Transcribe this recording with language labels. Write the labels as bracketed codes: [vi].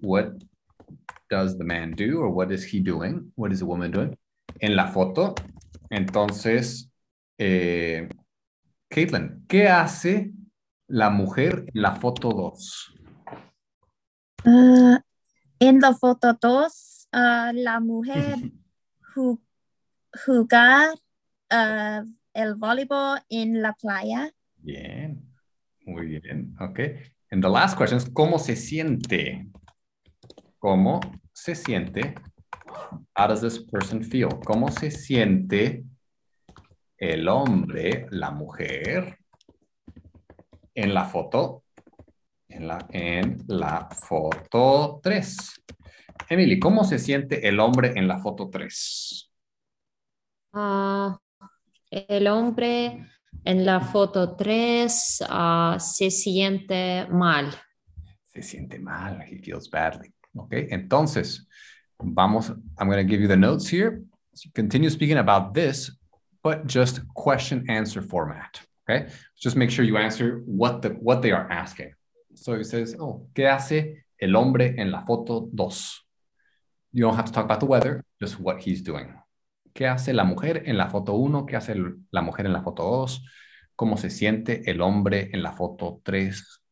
[en] What does the man do or what is he doing? What is the woman doing? [es] En la foto, entonces, Caitlin, ¿qué hace la mujer en la foto 2? En la foto 2, la mujer juega el voleibol en la playa. Bien, muy bien, ok. [en] And the last question is, [es] ¿cómo se siente? ¿Cómo se siente? [en] How does this person feel? [es] ¿Cómo se siente el hombre, la mujer en la foto? En la foto 3. Emily, ¿cómo se siente el hombre en la foto 3? El hombre en la foto 3 se siente mal. Se siente mal. [en] He feels badly. [es] Ok, entonces... [en] Vamos, I'm going to give you the notes here. So continue speaking about this, but just question answer format. Okay. Just make sure you answer what they are asking. So it says, oh, [es] ¿qué hace el hombre en la foto 2? [en] You don't have to talk about the weather, just what he's doing. [es] ¿Qué hace la mujer en la foto 1? ¿Qué hace la mujer en la foto 2? ¿Cómo se siente el hombre en la foto 3?